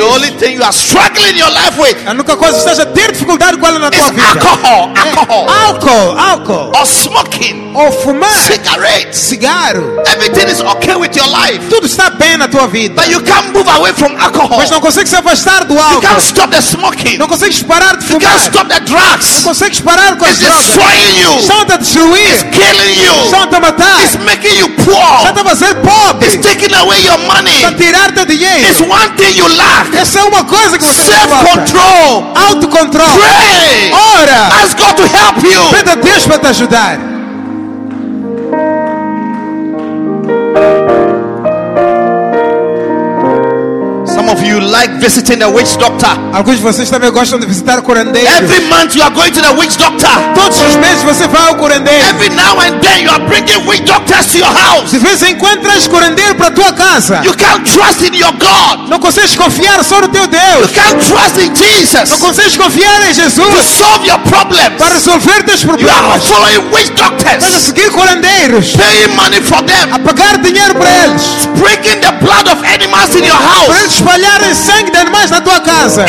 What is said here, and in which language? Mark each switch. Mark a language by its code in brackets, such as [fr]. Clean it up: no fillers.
[en] the only thing you are struggling in your life with, [pt] a única coisa que está a ter dificuldade com ela na tua vida, [en] alcohol, or smoking, [pt] ou fumar, [en] cigarette, [pt] cigarro. [en] Everything is okay with your life. [pt] Tudo está bem na tua vida. [en] But you can't move away from alcohol. [pt] Mas não consegue se afastar do álcool. [en] You can't stop the smoking. [pt] Não consegue parar de fumar. [en] You can't stop the drugs. [pt] Não consegue parar com as [en] drogas. It's destroying you. [pt] Estão a destruir. [en] It's killing you. [pt] Estão a matar. [en] It's making you poor. [pt] Está a fazer pobre. [en] It's taking away your money. [pt] Está a tirar teu dinheiro. [en] It's one thing you lack. [pt] Essa é uma coisa que você [en] falta. Self-control. [pt] Autocontrol. [en] Pray. [pt] Ora. [en] Ask God to help you. [pt] Pede a Deus para te ajudar. [en] Some of you like visiting the witch doctor. [pt] Alguns de vocês também gostam de visitar curandeiros. [en] Every month you are going to the witch doctor. [pt] Todos os meses você vai ao curandeiro. [en] Every now and then you are bringing witch doctors to your house. [pt] De vez em quando traz curandeiro para tua casa. [en] You can't trust in your God. [pt] Não consegues confiar só no teu Deus. [en] You can't trust in Jesus. [pt] Não consegues confiar em Jesus. [en] To solve your problems. [pt] Para resolver teus problemas. [en] You are following witch doctors. [pt] Estás a seguir curandeiros. [en] Paying money for them. [pt] A pagar dinheiro para eles. [en] Sprinkling the blood of animals in your house. [pt] Espalhar o sangue de animais na tua casa.